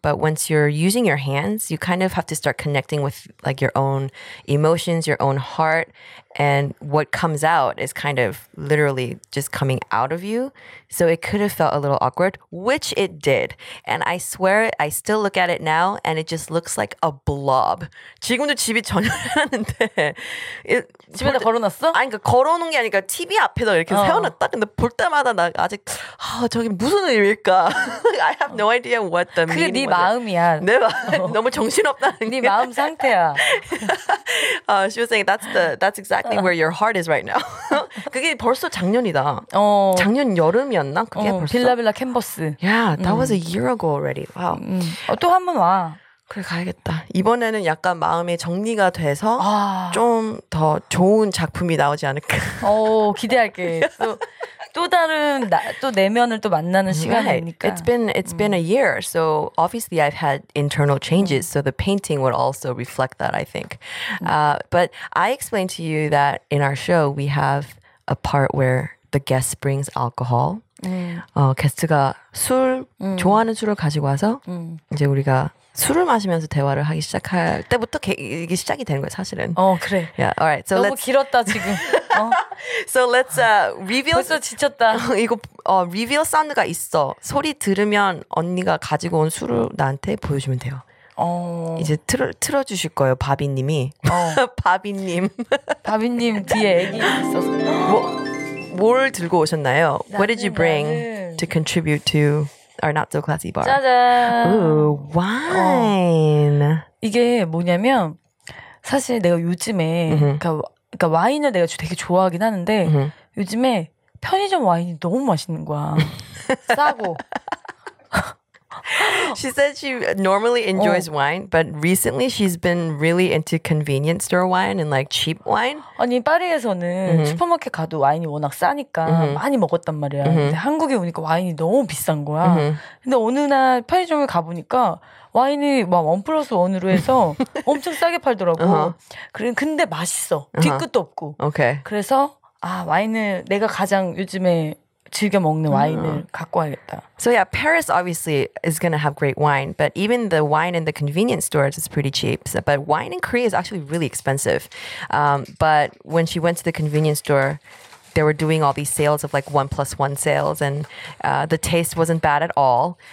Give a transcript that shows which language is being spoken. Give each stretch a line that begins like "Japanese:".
English: But once you're using your hands, you kind of have to start connecting with like your own emotions, your own heart. And what comes out is kind of literally just coming out of you. So it could have felt a little awkward, which it did. And I swear, I still look at it now and it just looks like a blob.
Korean: 지금도 집이 전열하는데. 집에다 걸어놨어? 아니, 그러니까 걸어놓은 게 아니라 TV 앞에다 이렇게 세워놨다. 근데 볼 때마다 나 아직, 저게 무슨 의미일까?
English: I have no idea what the
Korean: 그게
English: meaning
Korean: 네 마음이야. 내 마음. 너무 정신없다는 네 마음 상태야.
English: she was saying, that's exactly where your heart is right now.
Korean: 그게 벌써 작년이다. 작년 여름이었나? 그게 벌써. 빌라빌라 캔버스.
English: Yeah, that was a year ago already. Wow.
Korean: 또 한 번 와. 그래, 가야겠다. 이번에는 약간 마음의 정리가 돼서 좀 더 좋은 작품이 나오지 않을까. 기대할게. 또 다른 또 내면을 또 만나는 시간이니까.
English: It's been a year, so obviously I've had internal changes. So the painting would also reflect that, I think. But I explained to you that in our show we have a part where the guest brings alcohol.
Korean: 게스트가 술 좋아하는 술을 가지고 와서 이제 우리가 술을 마시면서 대화를 하기 시작할 때부터 이게 시작이 되는 거야 사실은. 그래.
English: Yeah. All right. So
Korean: 너무
English: let's
Korean: 길었다 지금.
English: So let's reveal.
Korean: 벌써 지쳤다. 이거 reveal 사운드가 있어. 소리 들으면 언니가 가지고 온 술을 나한테 보여주면 돼요. 이제 틀어주실 거예요, 바비님이. 바비님. 바비님 뒤에 애기 있어서. 뭘 들고 오셨나요?
English: What did you bring to contribute to our not so classy bar?
Korean: 짜잔.
English: Ooh, wine.
Korean: 이게 뭐냐면 사실 내가 요즘에 그러니까 와인을 내가 되게 좋아하긴 하는데 요즘에 편의점 와인이 너무 맛있는 거야. 싸고.
English: She said she normally enjoys wine, but recently she's been really into convenience store wine and like cheap wine.
Korean: 아니 파리에서는 슈퍼마켓 가도 와인이 워낙 싸니까 많이 먹었단 말이야. 근데 한국에 오니까 와인이 너무 비싼 거야. 근데 어느 날 편의점을 가보니까 와인이 막 원 플러스 원으로 해서 엄청 싸게 팔더라고. 근데 맛있어. 뒤끝도 없고.
English: Okay.
Korean: 그래서 와인을 내가 가장 요즘에 즐겨 먹는 와인을 갖고 와야겠다.
English: So yeah, Paris obviously is going to have great wine, but even the wine in the convenience stores is pretty cheap. So, but wine in Korea is actually really expensive. But when she went to the convenience store, they were doing all these sales of like 1+1 sales, and the taste wasn't bad at all.